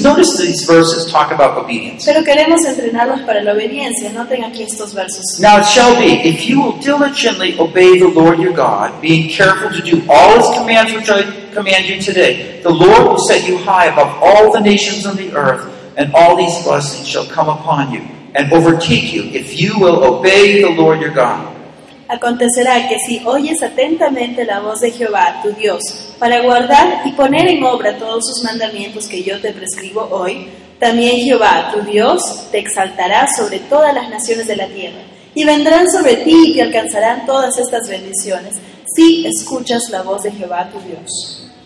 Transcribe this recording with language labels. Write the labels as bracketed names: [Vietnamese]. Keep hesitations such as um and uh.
[English] Notice these verses talk about obedience. [Spanish] Pero queremos entrenarlos para la obediencia. Noten aquí estos versos. [English] Now it shall be, if you will diligently obey the Lord your God, being careful to do all his commands which I command you today, the Lord will set you high above all the nations on the earth, and all these blessings shall come upon you and overtake you if you will obey the Lord your God. [Spanish] Acontecerá que si oyes atentamente la voz de Jehová, tu Dios, para guardar y poner en obra todos sus mandamientos que yo te prescribo hoy, también Jehová, tu Dios, te exaltará sobre todas las naciones de la tierra y vendrán sobre ti y te alcanzarán todas estas bendiciones si escuchas la voz de Jehová, tu Dios.